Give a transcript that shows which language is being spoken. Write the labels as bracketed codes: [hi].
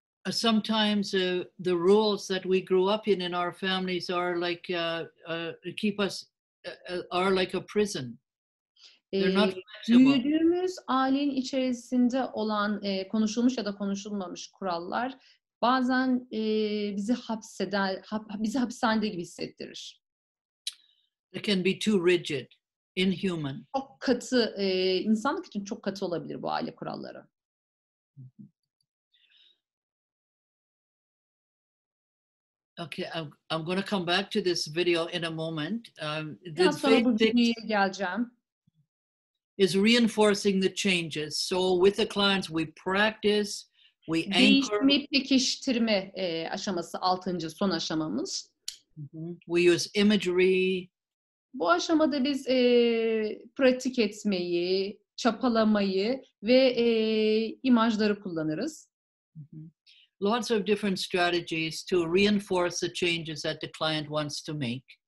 [en] sometimes the rules that we grew up in our families are like keep us are like a prison. [tr] Büyüdüğümüz ailenin içerisinde olan konuşulmuş ya da konuşulmamış kurallar bazen bizi bizi hapishanede gibi hissettirir. [en] They can be too rigid, inhuman. [tr] Çok katı, insanlık için çok katı olabilir bu aile kuralları. [en] Okay, I'm going to come back to this video in a moment. [tr] Biraz sonra bu videoya geleceğim. [en] Is reinforcing the changes. So with the clients, we practice, we anchor. [tr] Değişimi pekiştirme aşaması, altıncı, son aşamamız. [en] We use imagery. [tr] Bu aşamada biz pratik etmeyi, çapalamayı ve imajları kullanırız. [en] Lots of different strategies to reinforce the changes that the client wants to make.